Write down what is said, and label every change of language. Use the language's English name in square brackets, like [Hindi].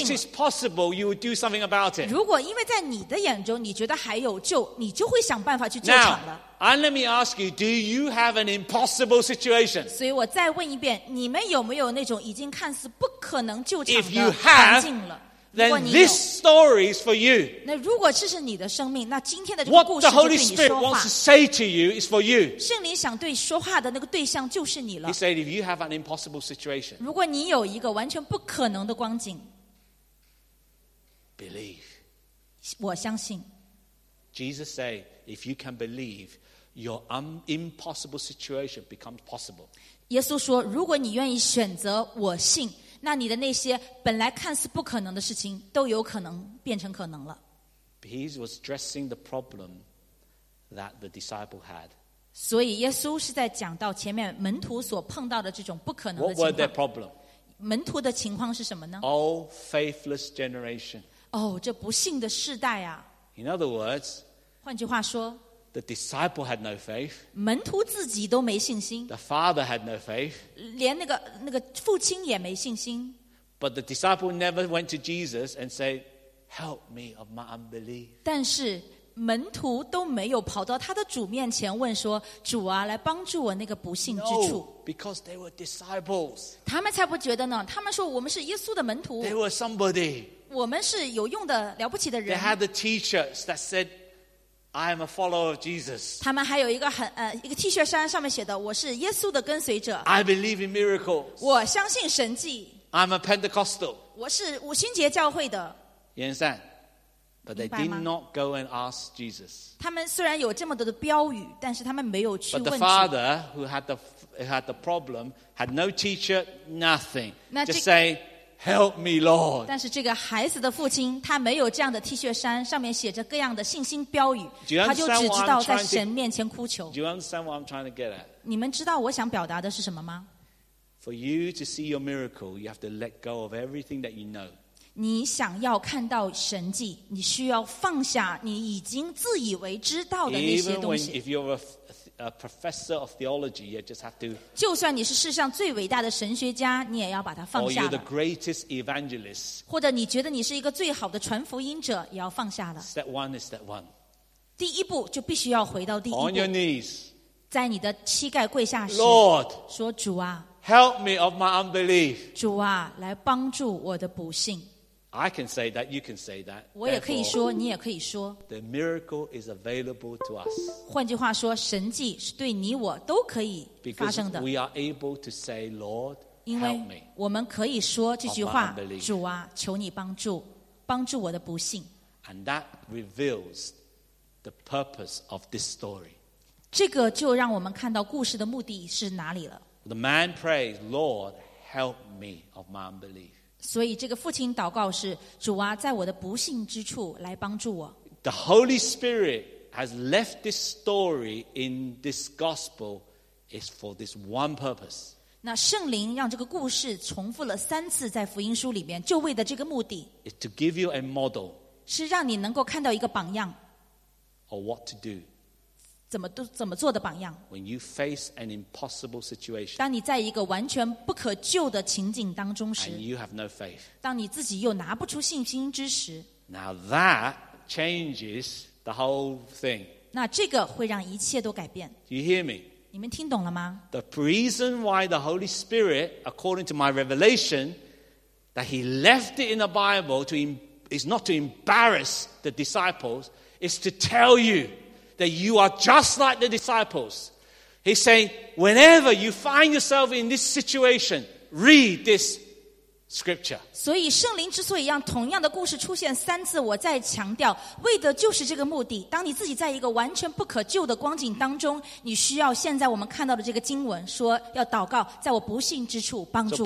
[English] Because if it is possible, you would do something about it. [Chinese] 如果因为在你的眼中你觉得还有救，你就会想办法去救场了。 [English] Now, and let me ask you, do you have an impossible situation? [Chinese] 所以我再问一遍，你们有没有那种已经看似不可能救场的环境了？ [English] If you have,Then this story is for you. [Chinese] 那如果这是你的生命，那今天的这个故事就对你说话。 [English] What the Holy Spirit wants to say to you is for you. [Chinese] 圣灵想对说话的那个对象就是你了。 [English] He said, "If you have an impossible situation, [Chinese] 如果你有一个完全不可能的光景 [English] ，believe. [Chinese] 我相信。 [English] Jesus said, "If you can believe, your impossible situation becomes possible." [Chinese] 耶稣说，如果你愿意选择我信。那你的那些本来看似不可能的事情都有可能变成可能了。 [English] He was addressing the problem that the disciple had. [Chinese] 所以耶稣是在讲到前面门徒所碰到的这种不可能的情况。 [English] What were their problem? [Chinese] 门徒的情况是什么呢？ [English] Oh, faithless generation. [Chinese] 哦，这不幸的世代啊。 [English] In other words, [Chinese] 换句话说， [English] the disciple had no faith. [Chinese] 门徒自己都没信心。 [English] The father had no faith. [Chinese] 连那个父亲也没信心。 [English] But the disciple never went to Jesus and said, "Help me of my unbelief." [Chinese] 但是门徒都没有跑到他的主面前问说：“主啊，来帮助我那个不信之处。” [English] No, because they were disciples. [Chinese] 他们才不觉得呢。他们说：“我们是耶稣的门徒。” [English] They were somebody. [Chinese] 我们是有用的、了不起的人。 [English] They had the T-shirts that said. I am a follower of Jesus. [Chinese] 他们还有一个 T 恤衫上面写的，我是耶稣的跟随者。 [English] I believe in miracles. [Chinese] 我相信神迹。 [English] I'm a Pentecostal. [Chinese] 我是五旬节教会的。 [English] You understand? But they did not go and ask Jesus. [Chinese] 他们虽然有这么多的标语，但是他们没有去问。 [English] But the father who had the problem had no teacher, nothing. Just say. Help me, Lord. [Chinese] 但是这个孩子的父亲，他没有这样的 T 恤衫，上面写着各样的信心标语，他就只知道在神面前哭求。 [English] Do you understand what I'm trying to get at? [Chinese] 你们知道我想表达的是什么吗？ [English] For you to see your miracle, you have to let go of everything that you know. [Chinese] 你想要看到神迹，你需要放下你已经自以为知道的那些东西。 [English] Even if you're a professor of theology, you just have to. [Chinese] 就算你是世上最伟大的神学家，你也要把它放下了。 [English] Or you're the greatest evangelist. [Chinese] 或者你觉得你是一个最好的传福音者，也要放下了。 [English] Step one is step one. [Chinese] 第一步就必须要回到第一步。 [English] On your knees. [Chinese] 在你的膝盖跪下时。 [English] Lord. [Chinese] 说主啊。 [English] Help me of my unbelief. [Chinese] 主啊，来帮助我的不信。 [English] I can say that, you can say that. [Chinese] 我也可以说，你也可以说。 [English] The miracle is available to us. [Chinese] 换句话说，神迹是对你我都可以发生的。 [English] Because we are able to say, Lord, help me. [Chinese] 因为我们可以说这句话，主啊，求你帮助，帮助我的不信。 [English] And that reveals the purpose of this story. [Chinese] 这个就让我们看到故事的目的是哪里了。 [English] The man prays, Lord, help me of my unbelief. [Chinese] 所以这个父亲祷告是主啊，在我的不幸之处来帮助我。 [English] The Holy Spirit has left this story in this gospel is for this one purpose. [Chinese] 那圣灵让这个故事重复了三次在福音书里面，就为了这个目的。 [English] It's to give you a model. [Chinese] 是让你能够看到一个榜样 [English] or what to do [Chinese] 怎么做的榜样 [English] when you face an impossible situation [Chinese] 当你在一个完全不可救的情景当中时 [English] and you have no faith [Chinese] 当你自己又拿不出信心之时 [English] now that changes the whole thing [Chinese] 那这个会让一切都改变 [English] do you hear me? [Chinese] 你们听懂了吗? [English] The reason why the Holy Spirit, according to my revelation, that he left it in the Bible is not to embarrass the disciples, is to tell you that you are just like the disciples. He's saying, whenever you find yourself in this situation, read this scripture. [Chinese] 所以圣灵之所以让同样的故事出现三次，我再强调，为的就是这个目的。当你自己在一个完全不可救的光景当中，你需要现在我们看到的这个经文，说要祷告，在我不信之处帮助我。